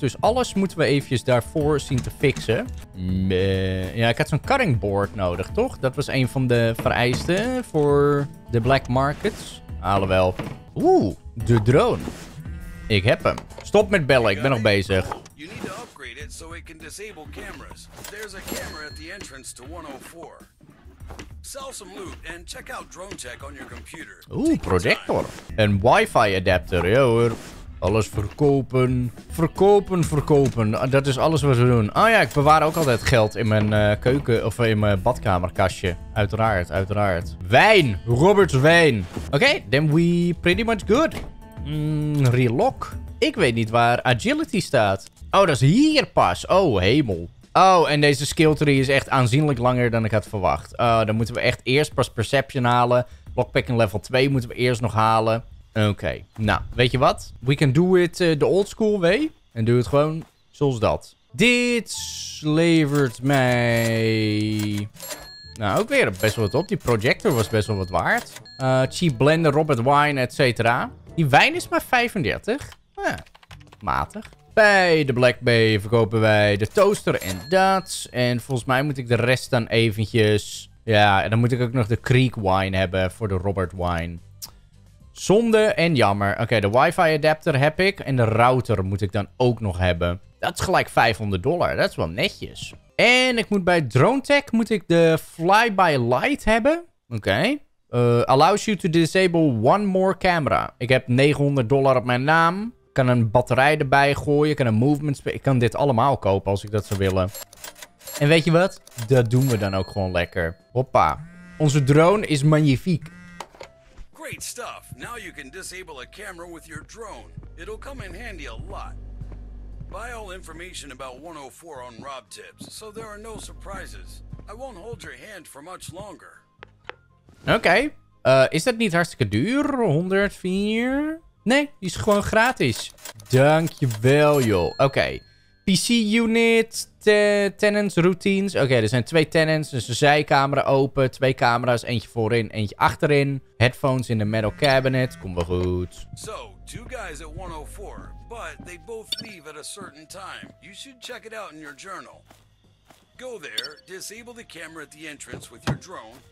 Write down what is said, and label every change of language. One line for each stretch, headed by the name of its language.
Dutch: Dus alles moeten we eventjes daarvoor zien te fixen. Ja, ik had zo'n cutting board nodig, toch? Dat was een van de vereisten voor de black markets. Alhoewel, oeh, de drone. Ik heb hem. Stop met bellen, ik ben nog bezig.
English: You need to upgrade it so it can disable cameras. There's a camera at the entrance to 104. Sell some loot and check out drone tech on your computer.
Dutch: Oeh, projector. Een wifi adapter, ja hoor. Alles verkopen. Verkopen, verkopen. Dat is alles wat we doen. Oh ja, ik bewaar ook altijd geld in mijn keuken of in mijn badkamerkastje. Uiteraard, uiteraard. Wijn. Robert Wijn. Oké,
English: then we pretty much good. Relock.
Dutch: Ik weet niet waar agility staat. Oh, dat is hier pas. Oh, hemel. Oh, en deze skill tree is echt aanzienlijk langer dan ik had verwacht. Dan moeten we echt eerst pas perception halen. Lockpicking level 2 moeten we eerst nog halen. Oké. Nou, weet je wat?
English: We can do it the old school way.
Dutch: En doe het gewoon zoals dat. Dit levert mij... Nou, ook weer best wel wat op. Die projector was best wel wat waard. Cheap blender, Robert Wine, et cetera. Die wijn is maar 35. Ja, matig. Bij de Black Bay verkopen wij de toaster en dat. En volgens mij moet ik de rest dan eventjes... Ja, en dan moet ik ook nog de Creek Wine hebben voor de Robert Wine. Zonde en jammer. Oké, de wifi adapter heb ik. En de router moet ik dan ook nog hebben. Dat is gelijk $500. Dat is wel netjes. En ik moet bij Drone Tech moet ik de Fly-by Light hebben. Oké.
English: Allows you to disable one more camera.
Dutch: Ik heb $900 op mijn naam. Ik kan een batterij erbij gooien. Ik kan een movement space. Ik kan dit allemaal kopen als ik dat zou willen. En weet je wat? Dat doen we dan ook gewoon lekker. Hoppa. Onze drone is magnifiek.
English: Great stuff. Now you can disable a camera with your drone. It'll come in handy a lot. Buy all information about 104 on Rob Tips, so there are no surprises. I won't hold your hand for much longer. Oké.
Dutch: Is dat niet hartstikke duur? 104? Nee, die is gewoon gratis. Dankjewel, joh. Oké. Okay. PC unit, tenants, routines. Oké, okay, er zijn 2 tenants. Dus een zijkamer open. 2 camera's. Eentje voorin, eentje achterin. Headphones in de metal cabinet. Komt wel goed.
English: So, 2 guys at 104. But they both leave at a certain time. You should check it out in your journal. Go there, disable the camera at the entrance with your drone.